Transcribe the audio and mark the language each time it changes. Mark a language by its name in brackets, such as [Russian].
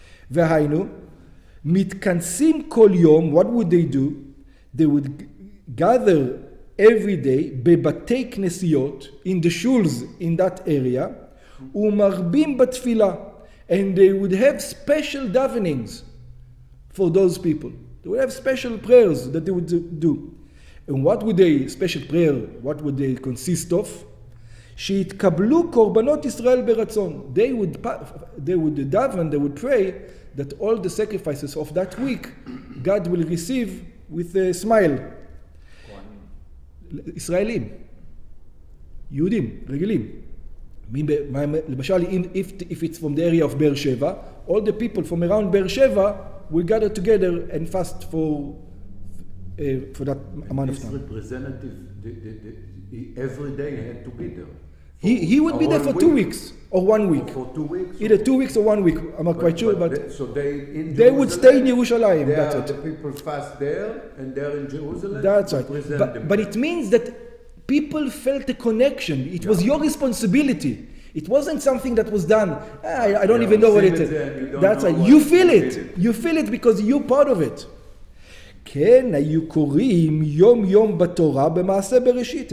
[Hebrew] והיינו, מתכנסים כל יום, [English] what would they do? They would gather every day [Hebrew] בבתי כנסיות, [English] in the shuls in that area, [Hebrew] ומרבים בתפילה, [English] and they would have special davenings for those people. They would have special prayers that they would do. And what would they, special prayer, what would they consist of? [Hebrew] שיתקבלו קורבנות ישראל ברצון. [English] They would daven, they would pray that all the sacrifices of that week, God will receive with a smile. Israelim, Yehudim, Regelim. If it's from the area of Be'er Sheva, all the people from around Be'er Sheva will gather together and fast for that amount of time. His representative, the every day had to be there. He would be there for week. 2 weeks or 1 week. Or for 2 weeks? Either 2 weeks or 1 week, I'm not quite sure. But so they in they would stay in Jerusalem, that's it. The people fast there and they're in Jerusalem. That's right. But it means that people felt a connection. It was your responsibility. It wasn't something that was done. I don't even know what it is. That's right. You feel it. You feel it because you're part of it. [Hebrew] כן, היו קוראים יום יום בתורה במעשה בראשית.